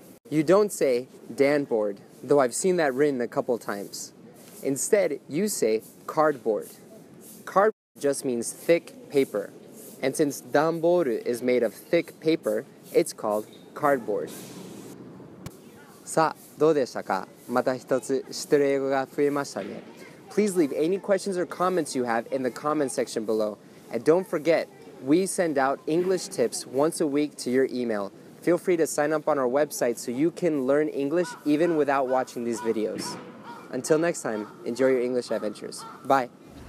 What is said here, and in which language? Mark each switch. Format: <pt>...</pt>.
<en>You don't say 段ボール, though I've seen that written a couple times. Instead, you say cardboard. Cardboard just means thick paper. And since 段ボール is made of thick paper, it's called cardboard.</en> <ja>さあ、どうでしたか? また一つ知ってる英語が増えましたね。</ja> <en>Please leave any questions or comments you have in the comment section below. And don't forget, we send out English tips once a week to your email. Feel free to sign up on our website so you can learn English even without watching these videos. Until next time, enjoy your English adventures. Bye.</en>